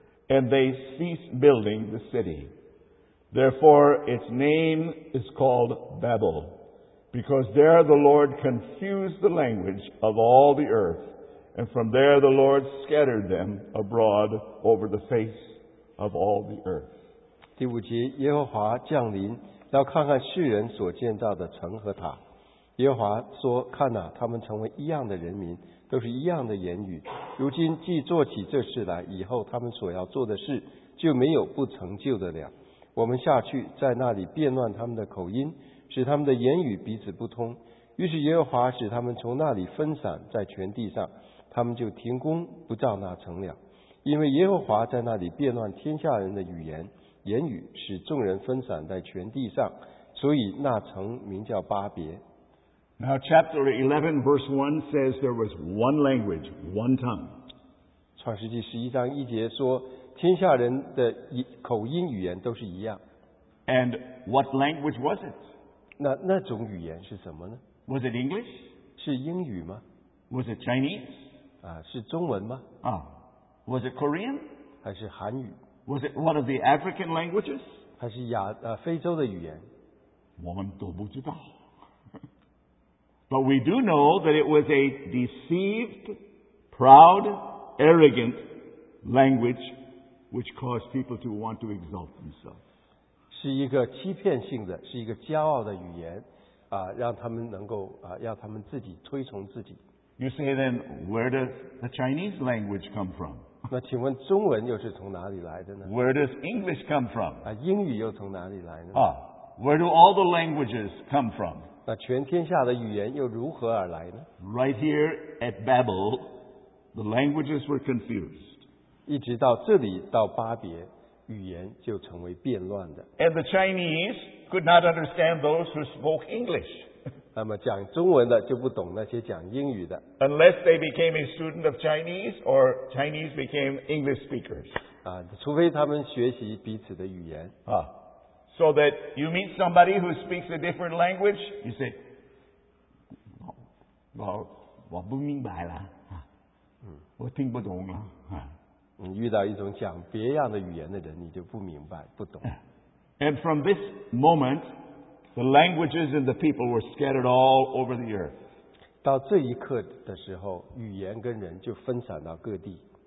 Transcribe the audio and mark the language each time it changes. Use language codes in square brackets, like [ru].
[en] And they ceased building the city. Therefore, its name is called Babel, because there the Lord confused the language of all the earth, and from there the Lord scattered them abroad over the face of all the earth. [zh] 第五节，耶和华降临，要看看世人所建造的城和塔。耶和华说：“看哪，他们成为一样的人民。” 都是一样的言语如今既做起这事来以后他们所要做的事就没有不成就的了我们下去在那里变乱他们的口音使他们的言语彼此不通于是耶和华使他们从那里分散在全地上他们就停工不造那城了因为耶和华在那里变乱天下人的语言言语，使众人分散在全地上，所以那城名叫巴别。 [en] Now chapter 11 verse 1 says there was one language, one tongue. [zh] 创世纪十一章一节说，天下人的口音语言都是一样。 [en] And what language was it? [zh] 那种语言是什么呢？ [en] Was it English? [zh] 是英语吗？ [en] Was it Chinese? [zh] 啊，是中文吗？ [en] Was it Korean? [zh] 还是韩语？ [en] Was it one of the African languages? [zh] 还是非洲的语言？我们都不知道。 [en] But we do know that it was a deceived, proud, arrogant language which caused people to want to exalt themselves. [zh] 是一个欺骗性的，是一个骄傲的语言，让他们能够让他们自己推崇自己。 [en] You say then, where does the Chinese language come from? [zh] 那请问中文又是从哪里来的呢？ [en] Where does English come from? [zh] 英语又从哪里来呢？ [en] Where do all the languages come from? [zh] 那全天下的语言又如何而来呢？ [en] Right here at Babel, the languages were confused. [zh] 一直到这里，到巴别，语言就成为变乱的。 [en] And the Chinese could not understand those who spoke English. [zh] 那么讲中文的就不懂那些讲英语的。 [en] Unless they became a student of Chinese or Chinese became English speakers. [zh] 除非他们学习彼此的语言。 [en] So that you meet somebody who speaks a different language, you say, [zh] 我不明白了，我听不懂了。你遇到一种讲别样的语言的人，你就不明白，不懂。 [en] And from this moment, the languages and the people were scattered all over the earth. [zh] 到这一刻的时候，语言跟人就分散到各地。